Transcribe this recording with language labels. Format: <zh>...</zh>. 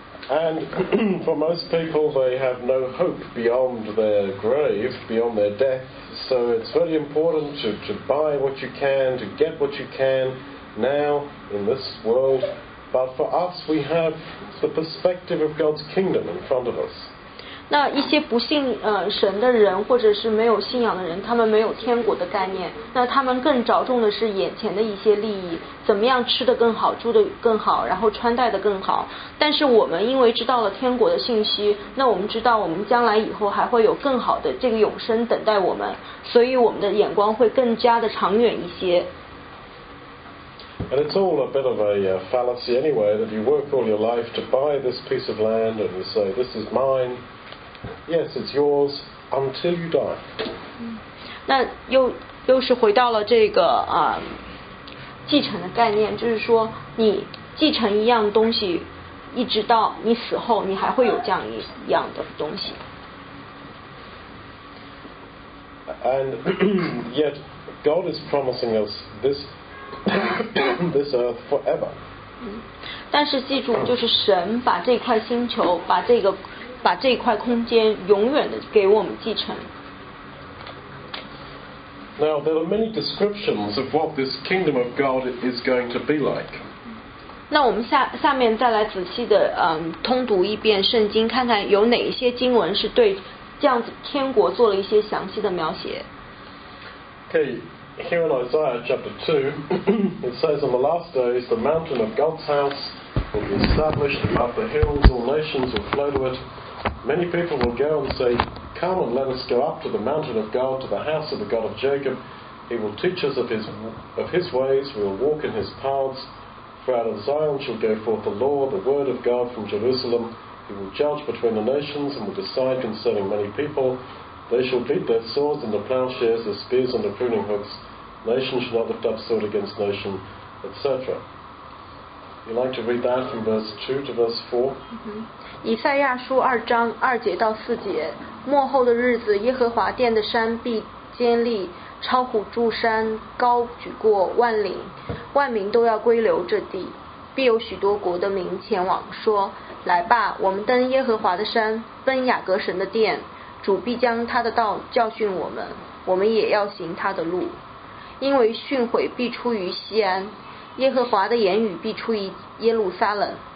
<en>And for most people, they have no hope beyond their grave, beyond their death. So it's very important to buy what you can, to get what you can now in this world. But for us, we have the perspective of God's kingdom in front of us.</en> <zh>那一些不信神的人，或者是没有信仰的人，他们没有天国的概念。那他们更着重的是眼前的一些利益，怎么样吃得更好，住得更好，然后穿戴得更好。但是我们因为知道了天国的信息，那我们知道我们将来以后还会有更好的这个永生等待我们，所以我们的眼光会更加的长远一些。</zh> <en>And it's all a bit of a fallacy anyway that you work all your life to buy this piece of land and you say this is mine. Yes, it's yours until you die.</en> <zh>那又是回到了这个啊、继承的概念，就是说你继承一样东西，一直到你死后，你还会有这样一样的东西。</zh> <en>And yet, God is promising us this this earth forever.</en> <zh>但是记住，就是神把这块星球，把这块空间永远的给我们继承。</zh> <en>Now there are many descriptions of what this kingdom of God is going to be like.</en> <zh>那我们下面再来仔细的通读一遍圣经，看看有哪一些经文是对这样子天国做了一些详细的描写。</zh> <en>Okay, here in Isaiah chapter 2, it says, "On the last days, the mountain of God's house will be established above the hills; all nations will flow to it." Many people will go and say, "Come and let us go up to the mountain of God, to the house of the God of Jacob. He will teach us of his ways. We will walk in his paths. For out of Zion shall go forth the law, the word of God from Jerusalem. He will judge between the nations and will decide concerning many people. They shall beat their swords into plowshares, their spears into pruning hooks. Nations shall not lift up sword against nation," etc. You like to read that from verse 2 to verse 4?</en> <zh>以赛亚书二章二节到四节，末后的日子，耶和华殿的山必坚立，超乎诸山，高举过万岭，万民都要归流这地，必有许多国的民前往，说，来吧，我们登耶和华的山，奔雅各神的殿，主必将他的道教训我们，我们也要行他的路，因为训诲必出于锡安。耶和华的言语必出于耶路撒冷，</zh>